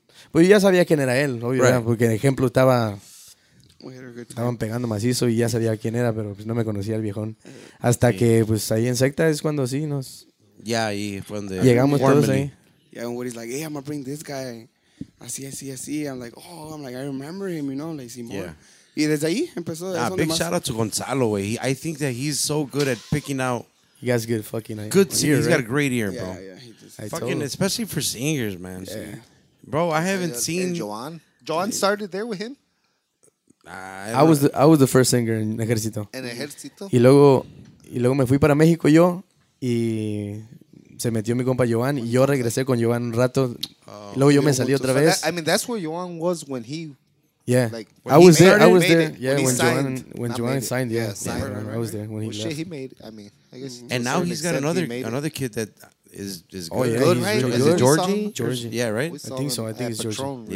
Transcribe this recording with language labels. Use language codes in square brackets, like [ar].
[es] Pues yo ya sabía quién era él, obvio. Right. Porque, por ejemplo, estaba... Estaban pegando macizo y ya sabía quién era, pero pues no me conocía el viejón. Hasta que pues ahí en Secta es cuando sí nos... Ya ahí fue donde... Llegamos todos ahí. [en] Yeah, and Woody's like, hey, I'm gonna bring this guy. Así. I'm like, I remember him, you know, like, see more. [es] Yeah. Y desde ahí empezó... [en] Nah, big shout out to Gonzalo, güey. I think that he's so good at picking out... He has good fucking... Good singers. He's got a great ear, bro. Yeah, he fucking, especially for singers, man. Yeah. Bro, I haven't seen... Joan started there with him? Nah, I was the first singer in Ejército. [es] En Ejército. Y luego me fui para México yo y se metió mi compa Joan y yo regresé con Joan un rato. Luego yo me salí otra vez. [en] I mean, that's where Joan was when he. Yeah. Like, I was there. Yeah, when Joan signed. Yeah, signed. I was there when he left. Shit, he made. I mean, I guess. And now he's got another kid that is good. Oh yeah, he's really good. Is it Georgie? Yeah, right. I think so. I think it's Georgie.